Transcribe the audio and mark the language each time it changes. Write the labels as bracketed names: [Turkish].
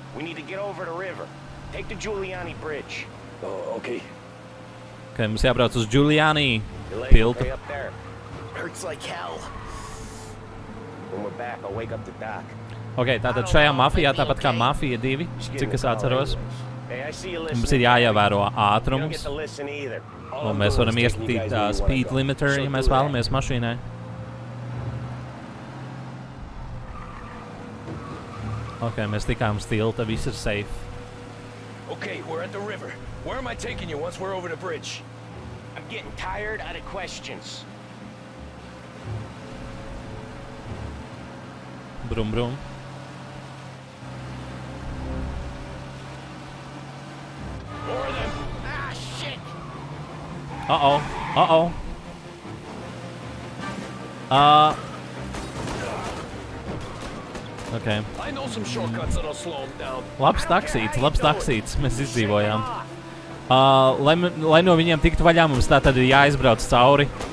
[English] We need to get over the river. Take the Giuliani Bridge. Oh, okay. [Latvian] Okay, mums jābrauc uz Giuliani tiltu. [English] Hurts like hell. When we're back, I'll wake up the doc. [Latvian] Okay, tātad šajā mafijā tāpat kā mafija 2, cik es atceros. Mums ir jāievēro ātrums. Un mēs varam ieskatīt [English] speed limiter, [Latvian] ja mēs vēlamies mašīnai. Ok, mēs tikām stilta, viss ir safe. [English] Ok, we're at the river. Where am I taking you once we're over the bridge? I'm getting tired out of questions. Brum, brum. More of them. Ah, shit! Uh-oh, Okay. I know some shortcuts that'll slow him down. [Latvian] Labs taksīts, labs taksīts. Mēs izdzīvojām. Lai no viņiem tiktu vaļā, mums tā tad ir jāizbrauc cauri.